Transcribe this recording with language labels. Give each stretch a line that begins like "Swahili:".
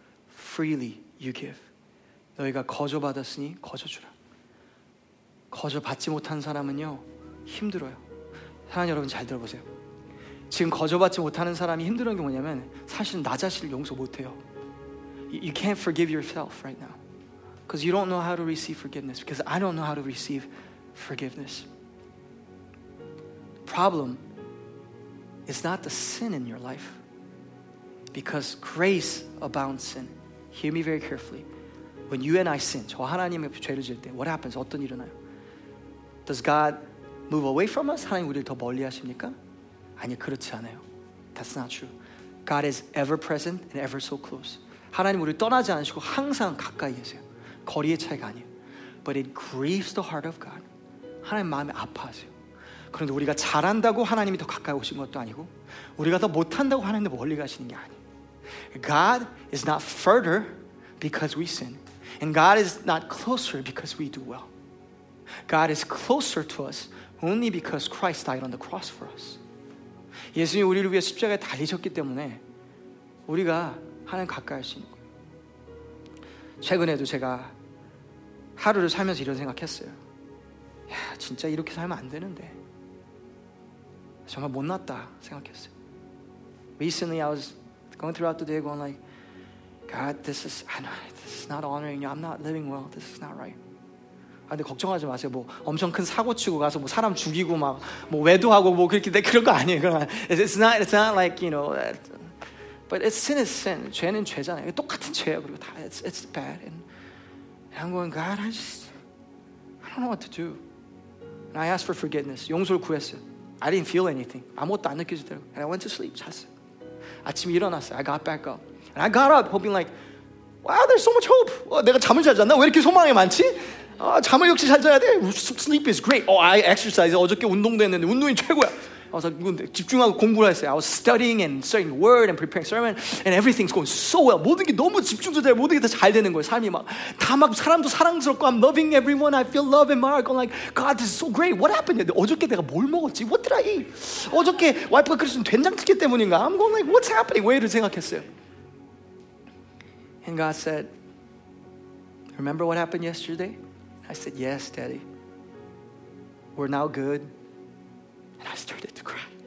English: Freely you give.
Korean: 너희가 거저 받았으니 거저 주라. 거저 받지 못한 사람은요, 힘들어요. 사랑하는 여러분 잘 들어보세요. 지금 거저 받지 못하는 사람이 힘든 게 뭐냐면 사실 나 자신을 용서 못해요.
English: You can't forgive yourself right now. Because you don't know how to receive forgiveness. Because I don't know how to receive forgiveness. Problem is not the sin in your life. Because grace abounds sin. Hear me very carefully. When you and I sin,
Korean: 저 하나님의 죄를 지을 때,
English: what happens?
Korean: 어떤 일이나요?
English: Does God move away from us?
Korean: 하나님 우리를 더 멀리 하십니까? 아니, 그렇지 않아요.
English: That's not true. God is ever present and ever so close.
Korean: 하나님 우리를 떠나지 않으시고 항상 가까이 계세요. 거리의 차이가 아니에요.
English: But it grieves the heart of God.
Korean: 하나님 마음이 아파하세요. 그런데 우리가 잘한다고 하나님이 더 가까이 오신 것도 아니고 우리가 더 못한다고 하나님도 멀리 가시는 게 아니에요.
English: God is not further because we sin. And God is not closer because we do well. God is closer to us only because Christ died on the cross for us.
Korean: 예수님이 우리를 위해 십자가에 달리셨기 때문에 우리가 하나님 가까이 할 수 있는 거예요. 최근에도 제가 하루를 살면서 이런 생각했어요. 야, 진짜 이렇게 살면 안 되는데. 정말 못났다 생각했어요.
English: Recently I was going throughout the day going like, God, this is not honoring you. I'm not living well. This is not right.
Korean: 아, 근데 걱정하지 마세요. 뭐 엄청 큰 사고 치고 가서 뭐 사람 죽이고 막 뭐 외도하고 뭐 그렇게 내 그런 거 아니에요.
English: 그러면 it's not like, you know, but it's sin is sin.
Korean: 죄는 죄잖아요. 똑같은 죄야. 그리고 다
English: it's bad. And I'm going, God, I don't know what to do. And I asked for forgiveness.
Korean: 용서를 구했어요.
English: I didn't feel anything.
Korean: 아무것도 안 느껴지더라고.
English: And I went to sleep.
Korean: 잤어요. 아침에 일어났어요.
English: I got back up. And I got up hoping like, wow, there's so much hope.
Korean: 내가 잠을 잘 잤나? 왜 이렇게 소망이 많지? 아, 잠을 역시 잘 자야 돼.
English: Sleep is great. Oh, I exercise.
Korean: 어저께 운동도 했는데 운동이 최고야. 집중하고 공부를 했어요.
English: I was studying and studying the word and preparing sermon and everything's going so well.
Korean: 모든 게 너무 집중도 잘, 모든 게 다 잘 되는 거예요. 삶이 막 다 막 사람도 사랑스럽고
English: I'm loving everyone. I feel love in my heart. I'm like, God, this is so great. What happened?
Korean: 어저께 내가 뭘 먹었지?
English: What did I eat?
Korean: 어저께 와이프가 그랬으면 된장찌개 때문인가?
English: I'm going like, what's happening?
Korean: 왜 이를 생각했어요?
English: And God said, remember what happened yesterday? I said, yes, Daddy. We're now good. And I started to cry.